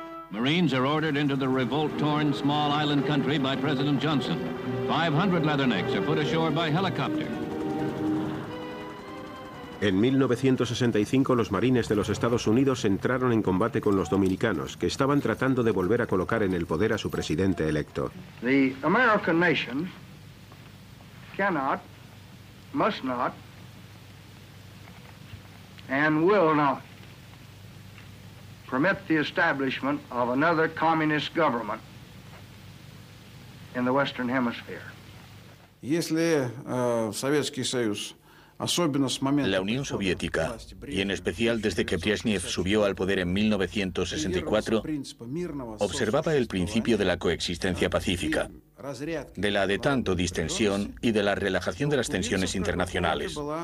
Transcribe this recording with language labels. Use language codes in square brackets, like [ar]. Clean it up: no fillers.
[en] Marines are ordered into the revolt-torn small island country by President Johnson. 500 leathernecks are put ashore by helicopter. [es] En 1965, los marines de los Estados Unidos entraron en combate con los dominicanos, que estaban tratando de volver a colocar en el poder a su presidente electo. [en] The American nation cannot, must not, and will not permit the establishment of another communist government in the Western Hemisphere. [ru] Если Советский Союз [es] La Unión Soviética, y en especial desde que Brezhnev subió al poder en 1964, observaba el principio de la coexistencia pacífica, de la de tanto distensión y de la relajación de las tensiones internacionales.